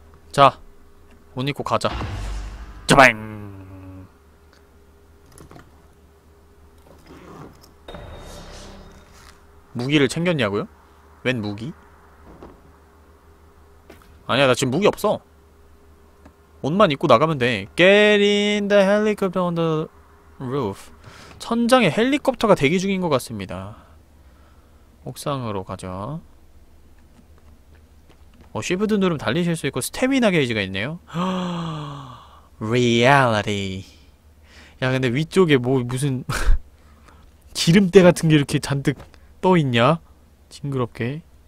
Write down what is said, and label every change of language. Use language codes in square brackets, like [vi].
[ko] 자, 옷 입고 가자. 짜밤! 무기를 챙겼냐고요? 웬 무기? 아니야, 나 지금 무기 없어. 옷만 입고 나가면 돼. [en] Get in the helicopter on the roof. [ko] 천장에 헬리콥터가 대기 중인 것 같습니다. 옥상으로 가자. 쉬프트 누르면 달리실 수 있고 스태미나 게이지가 있네요. 리얼리티. 야, 근데 위쪽에 뭐 무슨 기름때 같은 게 이렇게 잔뜩 떠 있냐? 징그럽게.